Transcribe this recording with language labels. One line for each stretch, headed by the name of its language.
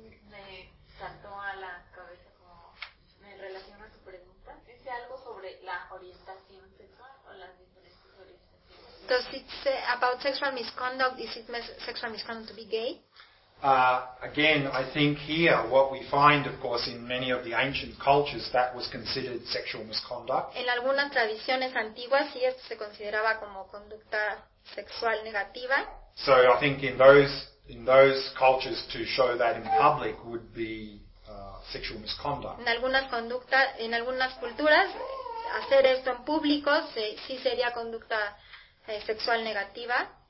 Spanish: Me saltó a la cabeza como me relaciona a su pregunta. ¿Dice algo sobre la orientación sexual o las diferentes orientaciones?
English: Does it say about sexual misconduct? Is it sexual misconduct to be gay? Again, I think here what we find, of course, in many of the ancient cultures, that was considered sexual misconduct.
Spanish: En algunas tradiciones antiguas, sí, esto se consideraba como conducta sexual negativa.
English: So I think in those cultures, to show that in public would be sexual misconduct.
Spanish: En algunas culturas, hacer esto en público sí sería conducta sexual negativa.